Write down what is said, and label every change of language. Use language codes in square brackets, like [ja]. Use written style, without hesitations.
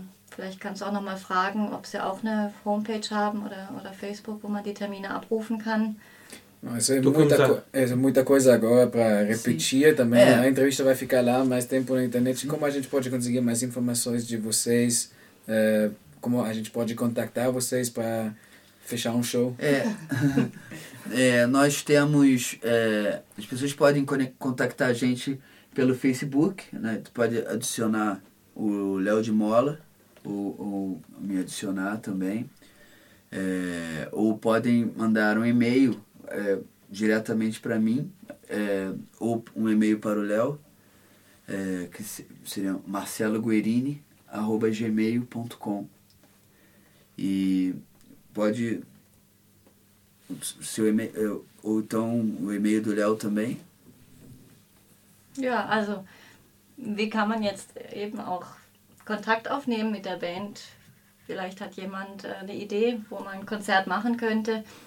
[de] Vielleicht kannst du auch nochmal fragen, ob sie auch eine Homepage haben oder Facebook, wo man die Termine abrufen kann. Es ist [pt] muita coisa agora para repetir. Sim. Também a entrevista vai ficar lá mais tempo na internet. Como a gente pode conseguir mais informações de vocês? Como a gente pode contactar vocês para fechar um show? Nós temos... as pessoas podem contactar a gente pelo Facebook, né? Tu pode adicionar o Léo de Mola. Ou me adicionar também, ou podem mandar um e-mail diretamente para mim, ou um e-mail para o Léo, que seria marceloguerini@gmail.com. E pode, seu e-mail, ou então o e-mail do Léo também. [de] Ja, also, wie kann man jetzt eben auch Kontakt aufnehmen mit der Band. Vielleicht hat jemand eine Idee, wo man ein Konzert machen könnte.